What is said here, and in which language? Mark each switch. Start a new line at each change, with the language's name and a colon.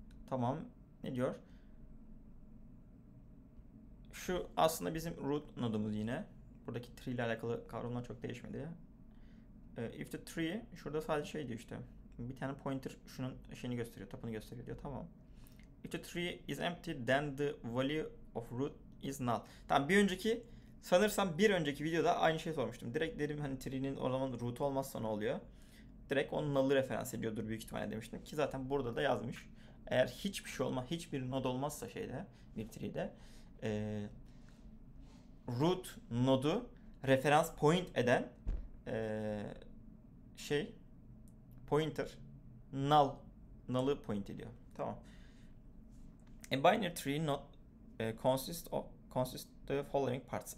Turkish: Tamam. Ne diyor? Şu aslında bizim root nodumuz yine. Buradaki tree ile alakalı kavramlar çok değişmedi.
English: If the tree,
Turkish: şurada sadece şey diyor işte. Bir tane pointer şunun şeyini gösteriyor, tapını gösteriyor diyor. Tamam.
English: If the tree is empty, then the value of root is null.
Turkish: Tamam, bir önceki sanırsam bir önceki videoda aynı şeyi sormuştum. Direkt dedim hani tree'nin o zaman root olmazsa ne oluyor? Direkt onun null'ı referans ediyordur büyük ihtimalle demiştim. Ki zaten burada da yazmış. Eğer hiçbir şey olma, hiçbir node olmazsa şeyde, bir tree'de root node'u referans point eden şey pointer null'ı point ediyor. Tamam.
English: A binary tree node consists the following parts.